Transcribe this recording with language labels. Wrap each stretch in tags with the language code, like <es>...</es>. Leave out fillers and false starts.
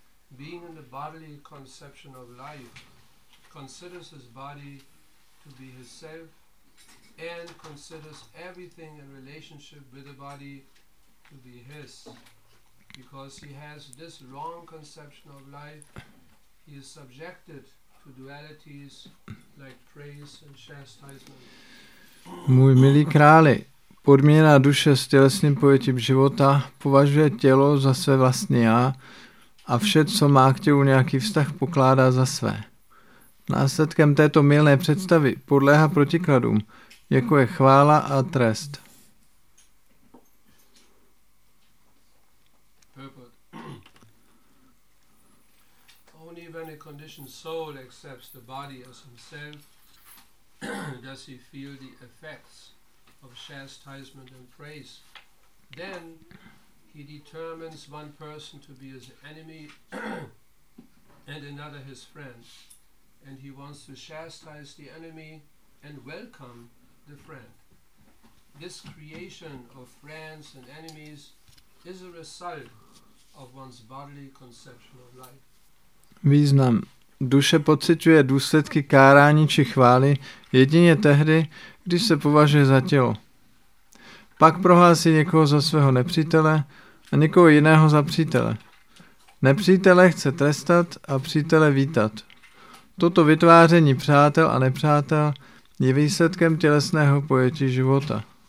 <en>Being in the bodily conception of life, considers his body to be his self, and considers everything in relationship with the body to be his. Because he has this wrong conception of life, he is subjected to dualities like praise and chastisement.</en> <cs>Můj milý králi, podmíněná duše s tělesným pojetím života považuje tělo za své vlastní já, a vše, co má k tělu nějaký vztah, pokládá za své. Následkem této mylné představy podléhá protikladům, jako je chvála a trest.</cs> <en>Only when a conditioned soul accepts the body as himself, does he feel the effects of chastisement and praise. Then he determines one person to be his enemy and another his friend, and he wants to chastise the enemy and welcome the friend. This creation of friends and enemies is a result of one's bodily conception of life.</en> <cs>Význam. Duše pociťuje důsledky kárání či chvály jedině tehdy, když se považuje za tělo. Pak prohlásí někoho za svého nepřítele a někoho jiného za přítele. Nepřítele chce trestat a přítele vítat. Toto vytváření přátel a nepřátel je výsledkem tělesného pojetí života.</cs>